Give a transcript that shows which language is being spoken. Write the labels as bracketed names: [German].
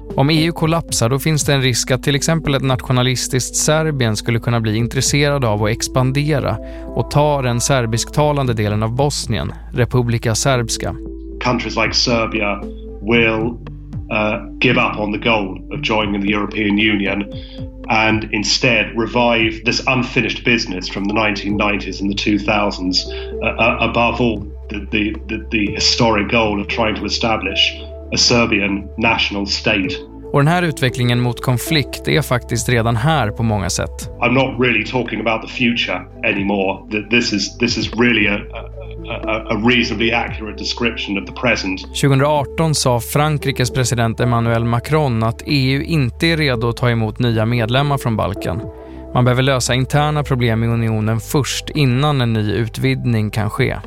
[Swedish] Om EU kollapsar, då finns det en risk att till exempel ett nationalistiskt Serbien skulle kunna bli intresserad av att expandera och ta den serbisktalande delen av Bosnien, Republika Serbska. [English] Countries like Serbia will give up on the goal of joining the European Union and instead revive this unfinished business from the 1990s and the 2000s, above all the historic goal of trying to establish a Serbian national state. [Swedish] Och den här utvecklingen mot konflikt är faktiskt redan här på många sätt. [English] I'm not really talking about the future anymore. This is really a reasonably accurate description of the present. [Swedish] 2018 sa Frankrikes president Emmanuel Macron att EU inte är redo att ta emot nya medlemmar från Balkan. Man behöver lösa interna problem i unionen först innan en ny utvidgning kan ske.